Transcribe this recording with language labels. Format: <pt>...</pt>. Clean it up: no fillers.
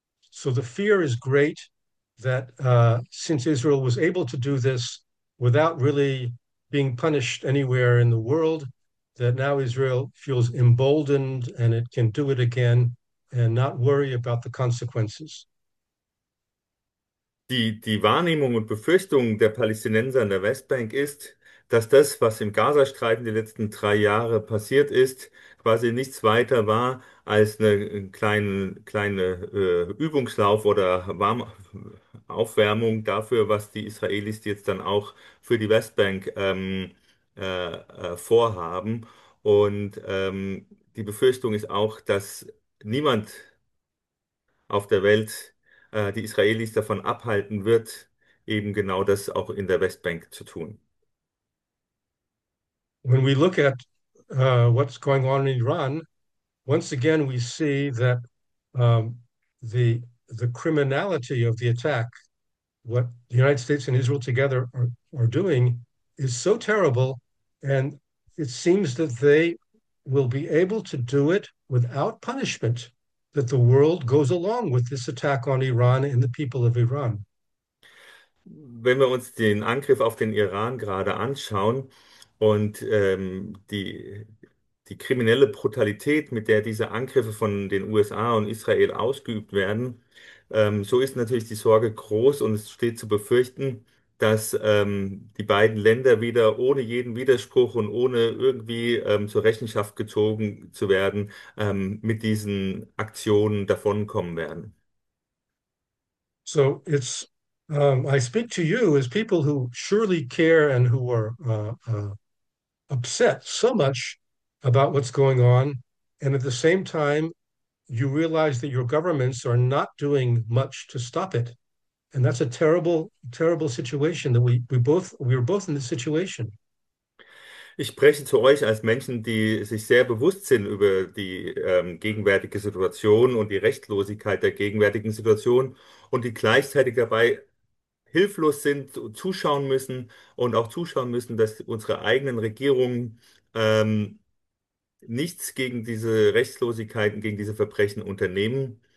<en>So the fear is great that since Israel was able to do this without really being punished anywhere in the world, that now Israel feels emboldened and it can do it again and not worry about the consequences.</en> <de>Die Wahrnehmung und Befürchtung der Palästinenser an der Westbank ist, dass das, was im Gazastreifen die letzten 3 Jahre passiert ist, quasi nichts weiter war als eine kleine Übungslauf oder Aufwärmung dafür, was die Israelis jetzt dann auch für die Westbank vorhaben. Und die Befürchtung ist auch, dass niemand auf der Welt die Israelis davon abhalten wird, eben genau das auch in der Westbank zu tun.</de> <en>When we look at what's going on in Iran, once again we see that the criminality of the attack, what the United States and Israel together are doing, is so terrible, and it seems that they will be able to do it without punishment, that the world goes along with this attack on Iran and the people of Iran.</en> <de>Wenn wir uns den Angriff auf den Iran gerade anschauen und die kriminelle Brutalität, mit der diese Angriffe von den USA und Israel ausgeübt werden, so ist natürlich die Sorge groß und es steht zu befürchten, dass die beiden Länder wieder ohne jeden Widerspruch und ohne irgendwie zur Rechenschaft gezogen zu werden, mit diesen Aktionen davonkommen werden.</de> <en>So it's, I speak to you as people who surely care and who are upset so much about what's going on. And at the same time, you realize that your governments are not doing much to stop it. And that's a terrible, terrible situation that we're both in this situation.</en> <de>Ich spreche zu euch als Menschen, die sich sehr bewusst sind über die gegenwärtige Situation und die Rechtlosigkeit der gegenwärtigen Situation und die gleichzeitig dabei hilflos sind, zuschauen müssen und auch zuschauen müssen, dass unsere eigenen Regierungen nichts gegen diese Rechtslosigkeiten, gegen diese Verbrechen unternehmen.</de>